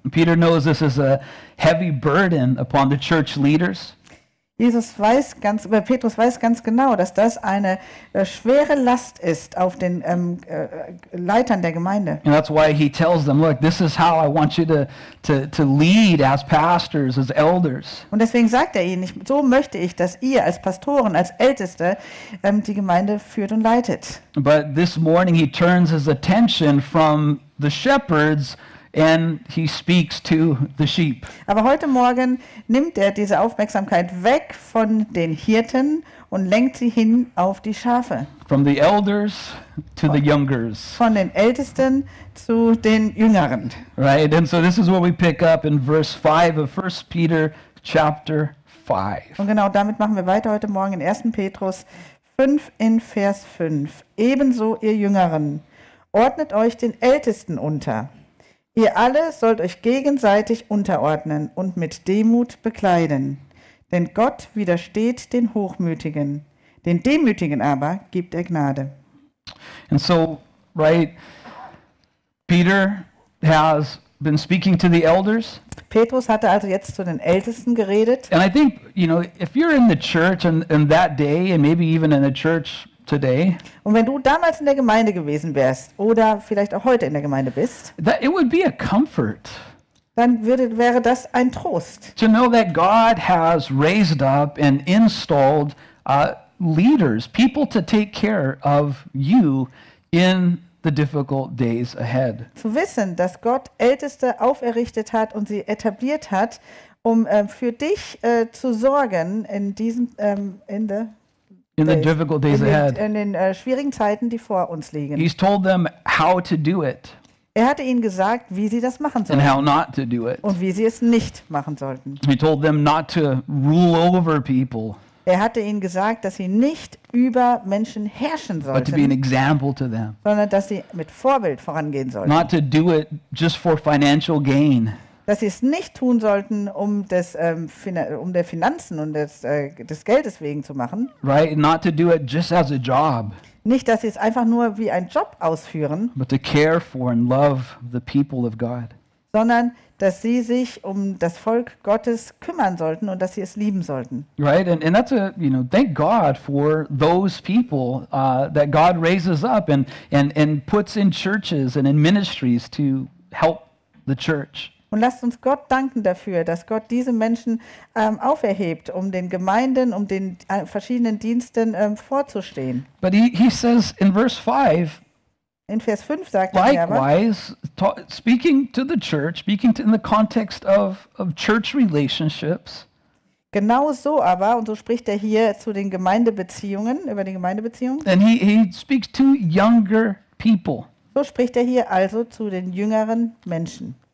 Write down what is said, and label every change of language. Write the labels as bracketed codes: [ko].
[en] Peter knows this is a heavy burden upon the church leaders. [de] Petrus weiß ganz genau, dass das eine schwere Last ist auf den Leitern der Gemeinde. [en] And that's why he tells them, look, this is how I want you to lead as pastors, as elders. [de] Und deswegen sagt er ihnen, so möchte ich, dass ihr als Pastoren, als Älteste die Gemeinde führt und leitet. [en] But this morning he turns his attention from the shepherds and he speaks to the sheep. [de] Aber heute Morgen nimmt er diese Aufmerksamkeit weg von den Hirten und lenkt sie hin auf die Schafe. [en] From the elders to the youngers. [de] Von den Ältesten zu den Jüngeren. [en] Right, and so this is what we pick up in verse 5 of 1 Peter chapter 5. [de] Und genau damit machen wir weiter heute Morgen in 1. Petrus 5 in Vers 5. Ebenso ihr Jüngeren, ordnet euch den Ältesten unter. Ihr alle sollt euch gegenseitig unterordnen und mit Demut bekleiden. Denn Gott widersteht den Hochmütigen, den Demütigen aber gibt er Gnade. [en] And so, right, Peter has been speaking to the elders. [de] Petrus hatte also jetzt zu den Ältesten geredet. [en] And I think, you know, if you're in the church in that day and maybe even in the church today, [de] und wenn du damals in der Gemeinde gewesen wärst oder vielleicht auch heute in der Gemeinde bist, [en] that it would be a comfort, [de] dann wäre das ein Trost. [en] To know that God has raised up and installed leaders, people to take care of you in the difficult days ahead. [de] Zu wissen, dass Gott Älteste auferrichtet hat und sie etabliert hat, um für dich zu sorgen in diesem Ende. [en] In the difficult days ahead. [de] In den schwierigen Zeiten, die vor uns liegen. [en] He's told them how to do it. [de] Er hatte ihnen gesagt, wie sie das machen sollten. [en] And how not to do it. [de] Und wie sie es nicht machen sollten. [en] He told them not to rule over people. [de] Er hatte ihnen gesagt, dass sie nicht über Menschen herrschen sollten. [en] But to be an example to them. [de] Sondern dass sie mit Vorbild vorangehen sollten. [en] Not to do it just for financial gain. [de] Dass sie es nicht tun sollten, um des um der Finanzen und des Geldes wegen zu machen. [en] Right, not to do it just as a job. [de] Nicht, dass sie es einfach nur wie ein Job ausführen. [en] But to care for and love the people of God. [de] Sondern dass sie sich um das Volk Gottes kümmern sollten und dass sie es lieben sollten. [en] Right, and that's a, you know, thank God for those people that God raises up and puts in churches and in ministries to help the church. [de] Und lasst uns Gott danken dafür, dass Gott diese Menschen auferhebt, um den Gemeinden, um den verschiedenen Diensten vorzustehen. [en] But he says in verse 5, [de] in Vers 5 sagt [en] likewise, [de] er aber, [en] speaking to the church, speaking to in the context of church relationships, [de] genau so aber, und so spricht er hier zu den Gemeindebeziehungen, über die Gemeindebeziehungen, [en] and he speaks to younger people. [de] So spricht er hier also zu den jüngeren Menschen.